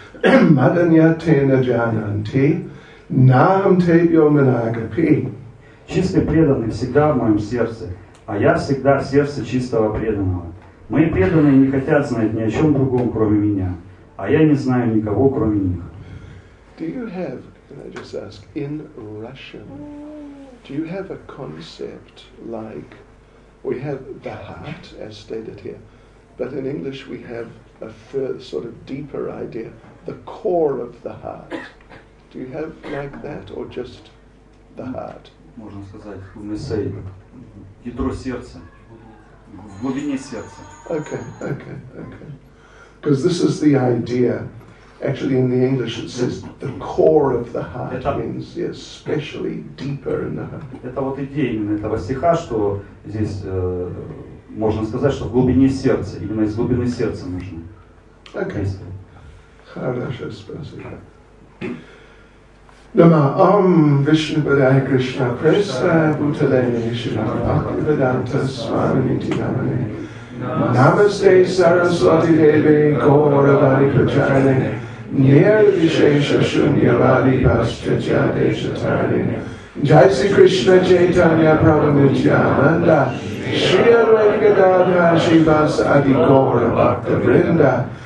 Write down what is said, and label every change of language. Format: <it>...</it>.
<ru>Чистый преданный всегда в моем сердце, а я всегда в сердце чистого преданного. Мои преданные не хотят знать ни о чем другом, кроме меня, а я не знаю никого, кроме них.</ru> <en>Do you have, can I just ask, in Russian, Do you have a concept like we have the heart as stated here, but in English we have a sort of deeper idea, the core of the heart. Do you have like that or just the heart?</en> <ru>Можно сказать, внутри ядро сердца, в глубине сердца.</ru> <en>Okay. Because this is the idea. Actually, in the English, it says the core of the heart means especially deeper in the heart.</en> <ru>Это вот идея именно этого стиха, что здесь можно сказать, что в глубине сердца, именно из глубины сердца нужно. Okay. Хорошо, спасибо.</ru> <sa>Нама Ом Вишну Падая Кришна Прасадая Бутале Нишина Бхакти Веданта Свамити Намане Намасте Сарасвати Деве Гауравани Прачарине Нирвишеша Шуньявади Бхасчача Дешатарине Джай Си Кришна Чайтанья Прабху Нитьянанда Шри Адвайта Гададхара Шривасади Гауравакта Вринда</sa>